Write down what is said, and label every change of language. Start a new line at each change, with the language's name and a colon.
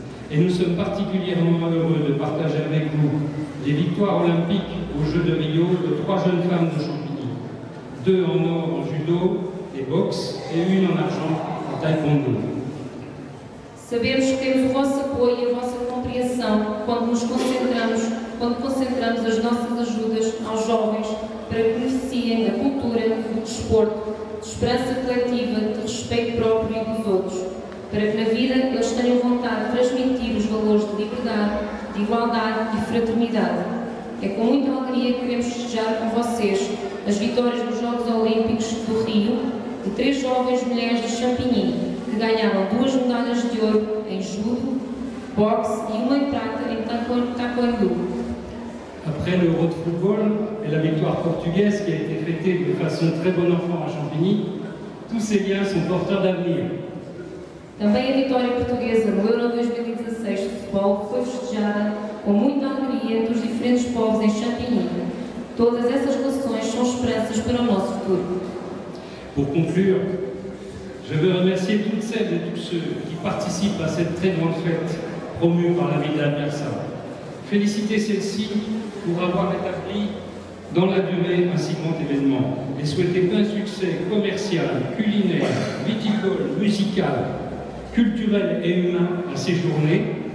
French: Et nous sommes particulièrement heureux de partager avec vous les victoires olympiques aux Jeux de Rio de trois jeunes femmes de Champigny, deux en or en judo, et boxe et une en argent en taekwondo.
Portuguese: Sabemos que temos o vosso apoio e a vossa compreensão quando nos concentramos, quando concentramos as nossas ajudas aos jovens para que beneficiem da cultura, do desporto, de esperança coletiva, de respeito próprio e dos outros, para que na vida eles tenham vontade de transmitir os valores de liberdade, de igualdade e fraternidade. É com muita alegria que queremos festejar com vocês as vitórias dos Jogos Olímpicos do Rio de três jovens mulheres de Champigny, que ganharam duas medalhas de ouro em judo, boxe e uma em prata em taekwondo.
French: Après le Euro de football et la victoire portugaise qui a été fêtée de façon très bon enfant à Champigny, tous ces liens sont porteurs d'avenir.
Portuguese: Também a vitória portuguesa no Euro 2016 de futebol foi festejada com muita alegria dos diferentes povos em Champigny. Todas essas relações são esperanças para o nosso futuro.
French: Pour conclure, je veux remercier toutes celles et tous ceux qui participent à cette très grande fête promue par la ville d'Amersham. Féliciter celle-ci pour avoir établi dans la durée un si grand événement et souhaiter plein succès commercial, culinaire, viticole, musical, culturel et humain à ces journées.